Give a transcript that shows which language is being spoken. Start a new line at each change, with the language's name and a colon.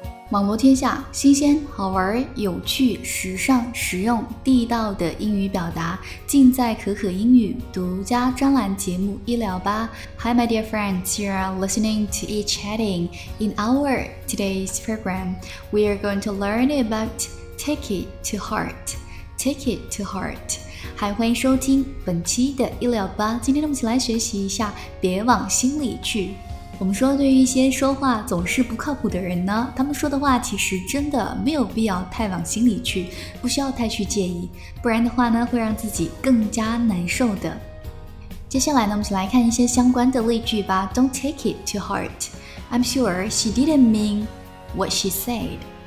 Chinese: 网罗天下新鲜、好玩、有趣、时尚、实用、地道的英语表达，尽在可可英语独家专栏节目一聊吧。
English: Hi, my dear friends, you are listening to e-chatting. In our today's program, we are going to learn about take it to heart. Take it to heart.
Chinese: 还欢迎收听本期的一聊吧，今天我们一起来学习一下别往心里去。我们说对于一些说话总是不靠谱的人呢，他们说的话其实真的没有必要太往心里去，不需要太去介意，不然的话呢会让自己更加难受的。接下来呢，我们一起来看一些相关的例句吧。
English: Don't take it to heart. I'm sure she didn't mean what she said.